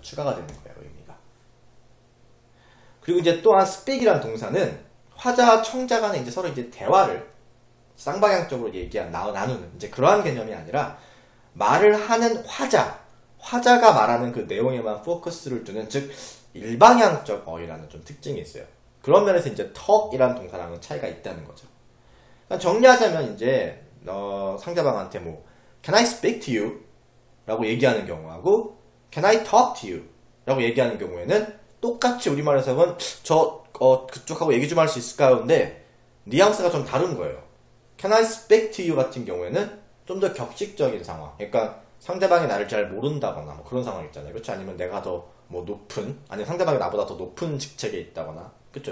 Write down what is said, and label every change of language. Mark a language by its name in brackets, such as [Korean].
[Korean] 추가가 되는 거예요, 의미가. 그리고 이제 또한 speak이라는 동사는 화자와 청자 간에 이제 서로 이제 대화를 쌍방향적으로 얘기한, 나누는 이제 그러한 개념이 아니라 말을 하는 화자, 화자가 말하는 그 내용에만 포커스를 두는 즉 일방향적 어휘라는 좀 특징이 있어요. 그런 면에서 이제 talk이라는 동사랑은 차이가 있다는 거죠. 정리하자면 이제 상대방한테 뭐 [English] Can I speak to you? [Korean] 라고 얘기하는 경우하고 [English] Can I talk to you? [Korean] 라고 얘기하는 경우에는 똑같이 우리말에서는 그쪽하고 얘기 좀 할 수 있을까요? 근데 뉘앙스가 좀 다른 거예요. [English] Can I speak to you? [Korean] 같은 경우에는 좀 더 격식적인 상황, 그러니까 상대방이 나를 잘 모른다거나 뭐 그런 상황 있잖아요. 그렇죠? 아니면 내가 더 뭐 높은, 아니면 상대방이 나보다 더 높은 직책에 있다거나 그렇죠?